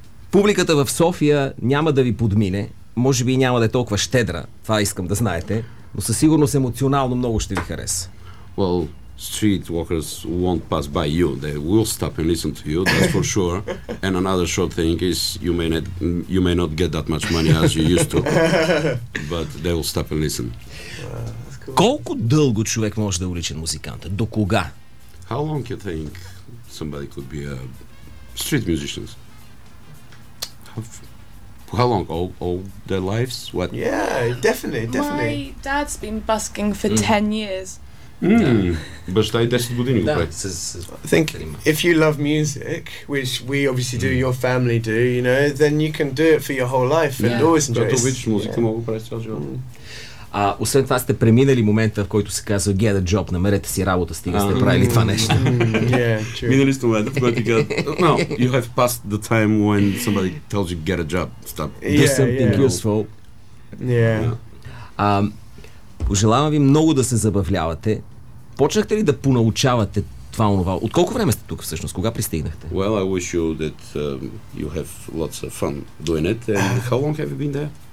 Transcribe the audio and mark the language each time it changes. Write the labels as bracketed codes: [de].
[bg] Публиката в София няма да ви подмине, може би няма да е толкова щедра, това искам да знаете, но със сигурност емоционално много ще ви хареса. [en] Well, street walkers won't pass by you, they will stop and listen to you, that's for sure. And another short thing is, you may not get that much money as you used to, but they will stop and listen. [bg] Колко дълго човек може да е уличен музикант? До кога? [en] How long you think somebody could be a street musician? How long? All their lives? What? Yeah, definitely. My dad's been busking for 10 years. But I guess it's good in your I think if you love music, which we obviously do, your family do, you know, then you can do it for your whole life and always enjoy it. [bg] Като обичаш музика, мога прави цял живот. Освен това, сте преминали момента, в който се казва [en] get a job, [bg] намерете си работа, стига сте правили това нещо. [en] Yeah, true. [bg] Минали сте момента, в който ти казват, [en] no, you have passed the time when somebody tells you get a job, stop. Do something useful. [bg] Пожелавам ви много да се забавлявате. Почнахте ли да понаучавате това онова? От колко време сте тук всъщност? Кога пристигнахте? [en] Well, I wish you that you have lots of fun doing it. And how long have you been there?